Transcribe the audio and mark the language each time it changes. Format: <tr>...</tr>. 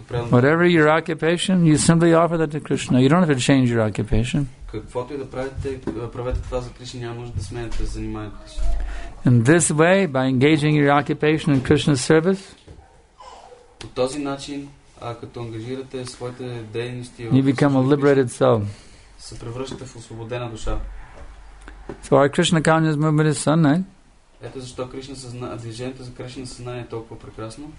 <en>Whatever your occupation, you simply offer that to Krishna. You don't have to change your occupation.</en> <bg>Каквото и да правите, правете това за Кришна, няма нужда да сменяте заниманието си.</bg> <en>In this way, by engaging your occupation in Krishna's service,</en> <bg>по този начин, като ангажирате своите дейности,</bg> <en>you become a liberated soul.</en> <bg>Се превръщате в освободена душа.</bg> <en>So our Krishna consciousness movement is so nice.</en> <bg>Ето защо Кришна движението за Кришна съзнание е толкова прекрасно.</bg>